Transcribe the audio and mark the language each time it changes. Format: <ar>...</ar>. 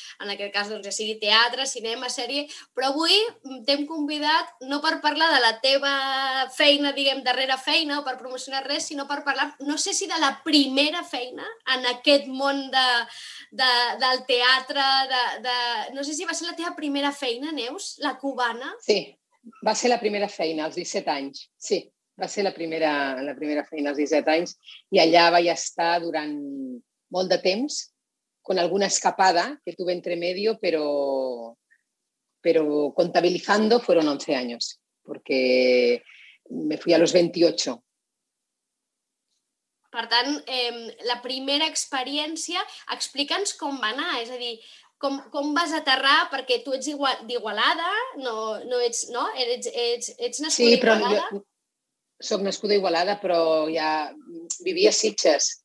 <ca>En aquest cas, doncs, ja sigui teatre, cinema, sèrie, però avui t'hem convidat no per parlar de la teva feina, diguem, darrera feina, o per promocionar res, sinó per parlar, no sé si de la primera feina en aquest món del teatre, no sé si va ser la teva primera feina, Neus, La Cubana? Sí, va ser la primera feina, als 17 anys. Sí, va ser la primera feina, als 17 anys. I allà vaig estar durant molt de temps,</ca> <es>con alguna escapada que tuve entre medio, pero contabilizando fueron 11 años, porque me fui a los 28.</es> <ca>Per tant, la primera experiència, explica'ns com va anar, és a dir, com vas aterrar, perquè tu ets d'Igualada, ets nascuda d'Igualada? Sí, però jo soc nascuda d'Igualada, però ja vivia a Sitges,</ca>